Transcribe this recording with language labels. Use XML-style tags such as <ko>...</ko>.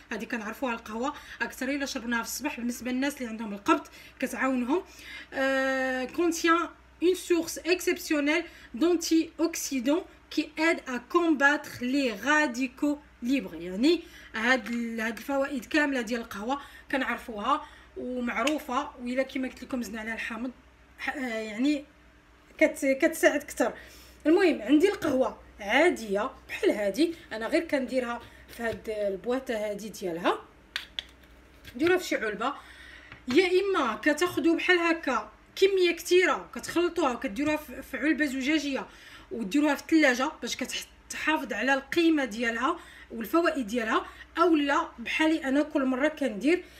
<ar>هذه كنعرفوها القهوه اكثر الا شربناها في الصباح بالنسبه للناس اللي عندهم القبض كتعاونهم.</ar> <fr>contient une source exceptionnelle d'antioxydants qui aide à combattre les radicaux libres.</fr> <ar>يعني هاد الفوائد كامله ديال القهوه كنعرفوها ومعروفه، والا كما قلت لكم زدنا عليها الحامض يعني كتساعد كثر. المهم عندي القهوه عاديه بحال هادي، انا غير كنديرها في هاد البواطه هادي ديالها، ديرها في شي علبه، يا اما كتاخذوا بحال هكا كميه كثيره كتخلطوها وكديروها في علبه زجاجيه وديروها في الثلاجه باش كتحافظ على القيمه ديالها والفوائد ديالها، اولا بحالي انا كل مره كندير.</ar>